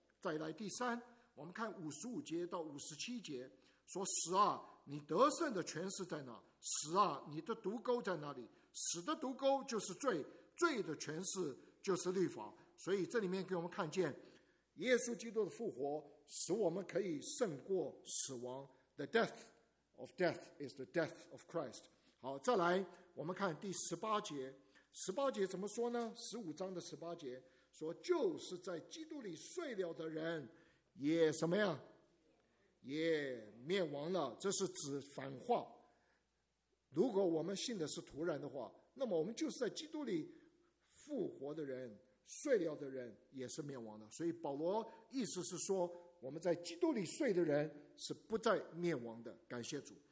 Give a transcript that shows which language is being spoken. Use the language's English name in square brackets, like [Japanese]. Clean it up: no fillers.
[Chinese] 再来第三，我们看五十五节到五十七节，说死啊，你得胜的权势在哪？死啊，你的毒钩在哪里？死的毒钩就是罪，罪的权势就是律法。所以这里面给我们看见耶稣基督的复活，使我们可以胜过死亡。 [English] The death of death is the death of Christ。 [Chinese] 好，再来我们看第十八节，十八节怎么说呢？十五章的十八节说，就是在基督里睡了的人也什么呀？也灭亡了。这是指反话，如果我们信的是突然的话，那么我们就是在基督里复活的人，睡了的人也是灭亡的。所以保罗意思是说，我们在基督里睡的人是不再灭亡的，感谢主。